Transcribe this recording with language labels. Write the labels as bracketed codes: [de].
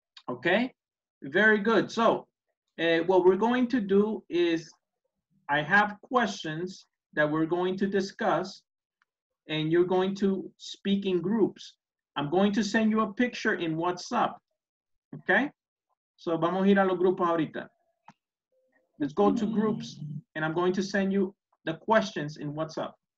[en] Okay, very good. So what we're going to do is I have questions that we're going to discuss, and you're going to speak in groups. I'm going to send you a picture in WhatsApp. [es] Okay, so vamos a ir a los grupos ahorita. [en] Let's go to groups, and I'm going to send you the questions in WhatsApp.